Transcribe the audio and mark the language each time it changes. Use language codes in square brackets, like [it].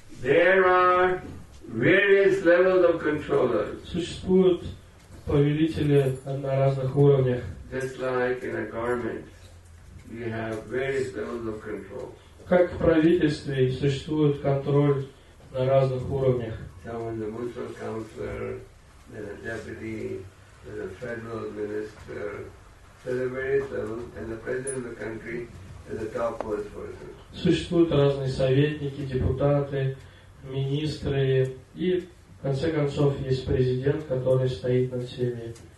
[en] There are various levels of controllers. [ru] Существуют повелители на разных уровнях. [en] Just like in a government, we have various levels of control. [ru] Как в правительстве существует контроль на разных уровнях. [en] Some is a municipal councillor, then a deputy, then a federal minister. So there are various levels, and the president of the country is the top post person. [ru] Существуют разные советники, депутаты, министры, и в конце концов есть президент, который стоит над всеми.